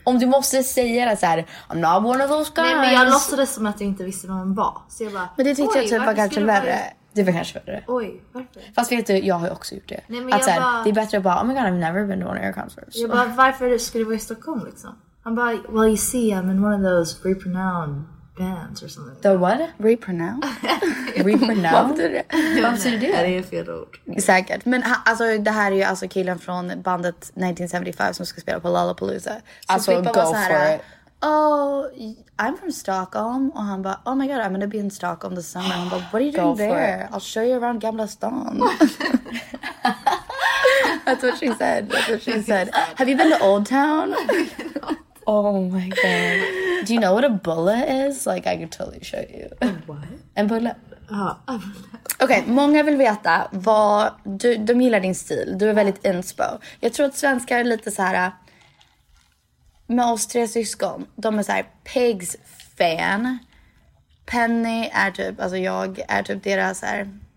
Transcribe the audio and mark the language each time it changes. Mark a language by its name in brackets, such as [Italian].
[Swedish] Om du måste säga det så här, [English] I'm not one of those guys. [Swedish] Nej, men jag låtsades som att jag inte visste vem han var. Så jag bara, men det tyckte jag typ var kanske värre. Det var kanske värre. Oj, varför? Fast vet du, jag har också gjort det. Nej, men att, jag här, bara... Det är bättre att bara, [English] oh my god, I've never been to one of your concerts. [Swedish] Jag bara, varför skulle du vara i Stockholm liksom? Han bara, [English] well you see, I'm in one of those reprenowned bands or something. The what? Reprenown? Reprenown? [Swedish] Varför det? Det är fel ord. Säkert. Men alltså, det här är ju alltså killen från bandet 1975 som ska spela på Lollapalooza. [English] Alltså, go så här, for it. Oh, I'm from Stockholm. [Swedish] Och han bara, [English] oh my god, I'm gonna be in Stockholm this summer. [Swedish] Han bara, [English] what are you doing there? I'll show you around Gamla stan. That's what she said. Have you been to Old Town? Oh my god. Do you know what a bullet is? Like, I could totally show you. What? [Swedish] En bullet. Ja. Okej, okay, många vill veta vad du, de gillar din stil. Du är väldigt inspo. Jag tror att svenskar är lite så här med oss tre syskon. De är så här Pigs fan. Penny är typ, alltså jag är typ deras här.